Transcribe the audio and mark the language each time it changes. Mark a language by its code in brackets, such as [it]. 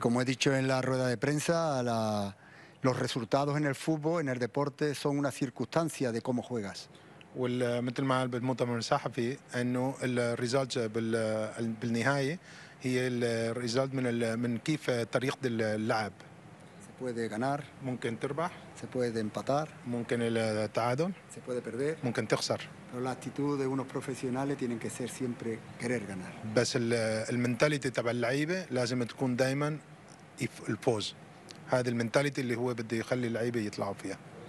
[es] como he dicho en la rueda de prensa, los resultados en el fútbol, en el deporte, son una circunstancia de cómo juegas. [ar] ومثل ما قال بالمؤتمر الصحفي انه الريزلت بالنهايه هي الريزلت من كيف طريقه اللعب. [es] Puede ganar. [ar] ممكن تربح. [es] Se puede empatar. [ar] ممكن التعادل. [es] Se puede perder. [ar] ممكن تخسر. [es] Pero la actitud de unos profesionales tiene que ser siempre querer ganar. [ar] بس المنتاليتي تبع اللعيبه لازم تكون دائما الفوز. هذه المنتاليتي اللي هو بده يخلي اللعيبه يطلعوا فيها.